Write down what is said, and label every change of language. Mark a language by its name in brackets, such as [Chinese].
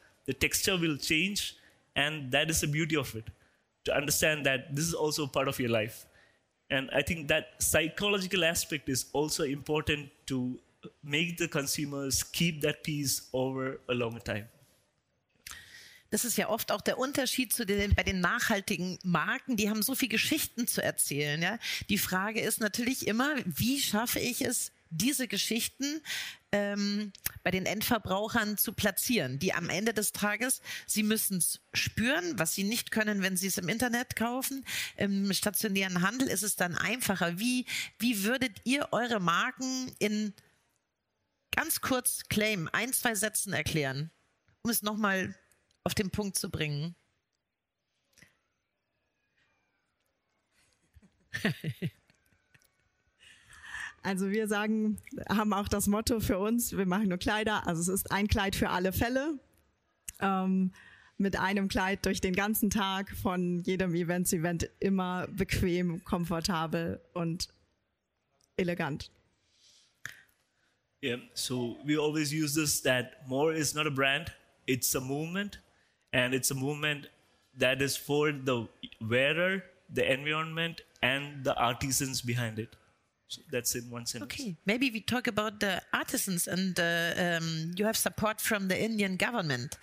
[English] The texture will change, and that is the beauty of it, to understand that this is also part of your life. And I think that psychological aspect is also important to make the consumers keep that piece over a longer time. [German] Das ist ja oft auch der Unterschied zu den, bei den nachhaltigen Marken. Die haben so viele Geschichten zu erzählen. Ja? Die Frage ist natürlich immer, wie schaffe ich es, diese Geschichten bei den Endverbrauchern zu platzieren, die am Ende des Tages, sie müssen es spüren, was sie nicht können, wenn sie es im Internet kaufen. Im stationären Handel ist es dann einfacher. Wie würdet ihr eure Marken in ganz kurz Claim, ein, zwei Sätzen erklären, um es nochmal auf den Punkt zu bringen? Also wir sagen, haben auch das Motto für uns, wir machen nur Kleider, also es ist ein Kleid für alle Fälle, mit einem Kleid durch den ganzen Tag von jedem Event immer bequem, komfortabel und elegant. [English] Yeah, so we always use this, that more is not a brand, it's a movement, and it's a movement that is for the wearer, the environment and the artisans behind it. So that's in one sentence. Okay, maybe we talk about the artisans, and you have support from the Indian government.